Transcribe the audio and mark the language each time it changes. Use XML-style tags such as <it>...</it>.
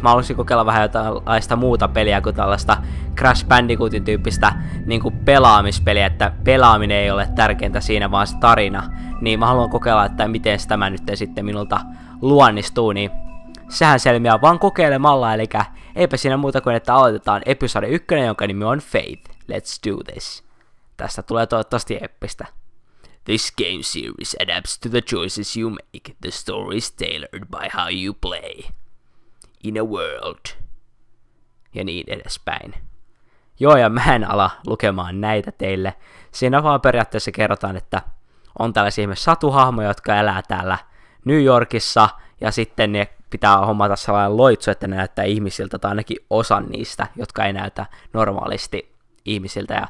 <fi>Mä haluaisin kokeilla vähän jotainlaista muuta peliä kuin tällaista Crash Bandicootin tyyppistä niin kuin pelaamispeliä, että pelaaminen ei ole tärkeintä siinä, vaan se tarina. Niin mä haluan kokeilla, että miten tämä nyt sitten minulta luonnistuu, niin sehän selviää vaan kokeilemalla, eli eipä siinä muuta kuin, että aloitetaan episode 1, jonka nimi on Faith.</fi> <en>Let's do this.</en> <fi>Tästä tulee toivottavasti eppistä.</fi> <en>This game series adapts to the choices you make. The story is tailored by how you play. In a world.</en> <fi>Ja niin edespäin. Joo, ja mä en ala lukemaan näitä teille. Siinä vaan periaatteessa kerrotaan, että on tällaisia ihmisiä satuhahmoja, jotka elää täällä New Yorkissa, ja sitten ne pitää hommata sellainen loitsu, että ne näyttää ihmisiltä, tai ainakin osa niistä, jotka ei näytä normaalisti ihmisiltä.</fi>